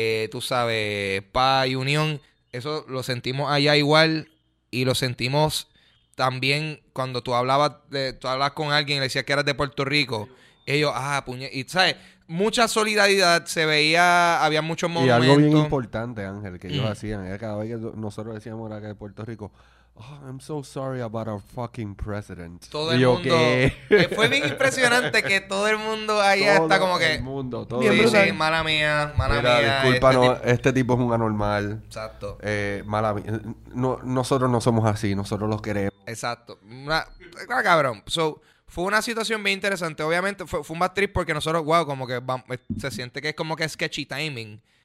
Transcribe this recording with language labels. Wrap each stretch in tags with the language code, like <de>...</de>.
<es>Tú sabes, paz y unión, eso lo sentimos allá igual y lo sentimos también cuando tú hablabas con alguien y le decías que eras de Puerto Rico, ellos, y sabes, mucha solidaridad se veía, había muchos momentos. Y algo bien importante, Ángel, que ellos hacían, cada vez que nosotros decíamos era que de Puerto Rico,</es> <en>Oh, I'm so sorry about our fucking president.</en> <es>Todo el mundo. Fue bien impresionante que todo el mundo ahí está como que. Todo el mundo, todo el mundo. Sí, mala mía, mala mía. Disculpa, este tipo es un anormal. Exacto. Mala mía. No, nosotros no somos así, nosotros los queremos. Exacto. Cabrón. So, fue una situación bien interesante. Obviamente, fue un</es> <en>bad trip</en> <es>porque nosotros, wow, como que se siente que es como que</es> <en>sketchy timing.</en>